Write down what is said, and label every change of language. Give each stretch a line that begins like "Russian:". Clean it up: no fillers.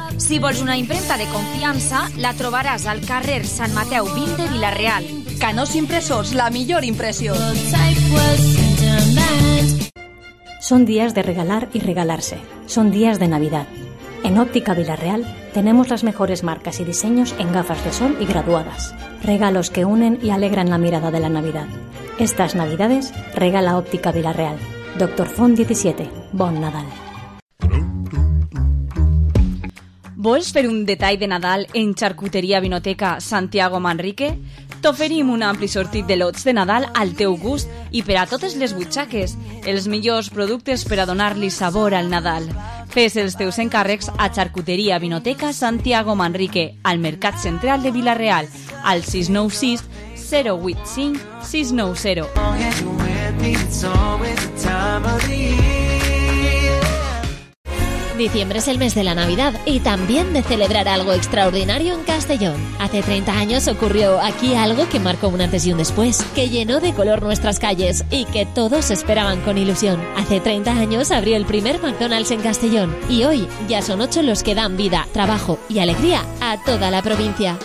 Catalan: Si vols una impremta de confiança, la trobaràs al carrer Sant Mateu 20 de Vila-real. Canós Impressors, la millor impressió.
Spanish: Son días de regalar y regalarse. Son días de Navidad. En Óptica Vila-real tenemos las mejores marcas y diseños en gafas de sol y graduadas. Regalos que unen y alegran la mirada de la Navidad. Estas Navidades, regala Óptica Vila-real.
Catalan: Dr. Font 17. Bon Nadal. ¿Vols fer un detall de Nadal en Charcuteria Vinoteca Santiago Manrique? T'oferim un ampli sortit de lots de Nadal al teu gust i per a totes les butxaques, els millors productes per a donar-li sabor al Nadal. Fes els teus encàrrecs a Charcuteria Vinoteca Santiago Manrique, al Mercat Central de Vila-real, al 696-085-690.
Spanish: Diciembre es el mes de la Navidad y también de celebrar algo extraordinario en Castellón. Hace 30 años ocurrió aquí algo que marcó un antes y un después, que llenó de color nuestras calles y que todos esperaban con ilusión. Hace 30 años abrió el primer McDonald's en Castellón y hoy ya son 8 los que dan vida, trabajo y alegría a toda la provincia.